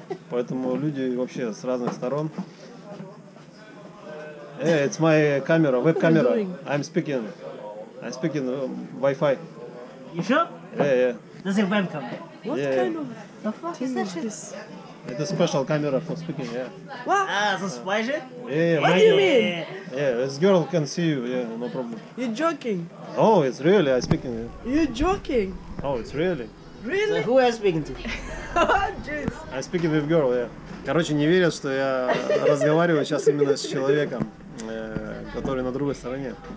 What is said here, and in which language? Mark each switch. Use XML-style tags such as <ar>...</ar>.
<ru>Поэтому люди вообще с разных сторон.</ru> <en>It's my camera, веб-камера. I'm speaking Wi-Fi. You sure? Yeah. That's your webcam. What kind of the fuck is that shit? It's a special camera for speaking, yeah. What? So special? Yeah. What do you mean? Yeah, this girl can see you, yeah, no problem. You're joking. Oh, it's really, I'm speaking. Yeah. You're joking. Oh, it's really. Really? So who are you speaking to? Jeez. I'm speaking with girl, yeah.</en> <ru>Короче, не верят, что я разговариваю сейчас именно с человеком, который на другой стороне.</ru>